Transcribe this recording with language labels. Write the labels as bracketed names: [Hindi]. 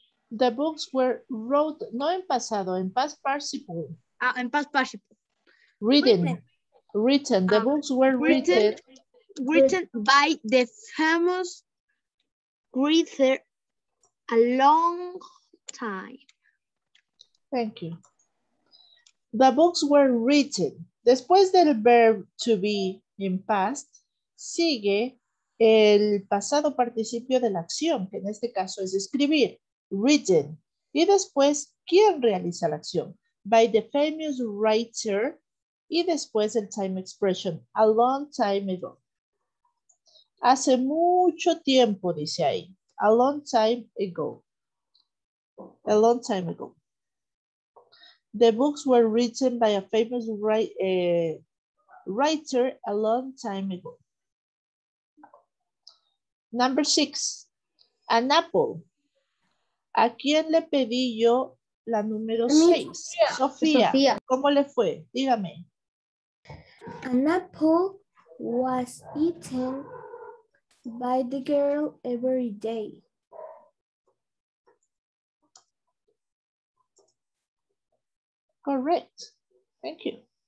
[English] The books were wrote, [Spanish] no en pasado, en [English] past participle. [Spanish] Ah, en past participle. [English] Written. Written. The books were written. Written by the famous writer a long time. Thank you. The books were written. [Spanish] Después del verb to be in past, sigue el pasado participio de la acción, que en este caso es escribir, written. Y después, ¿quién realiza la acción? [English] By the famous writer. [Spanish] Y después el [English] time expression, a long time ago. [Spanish] Hace mucho tiempo, dice ahí. [English] A long time ago. A long time ago. The books were written by a famous writer a long time ago. Number six, an apple. [Spanish] ¿A quién le pedí yo la número seis? Sofía. Sofía. ¿Cómo le fue? Dígame. [English] An apple was eaten by the girl every day. Correct. Thank you.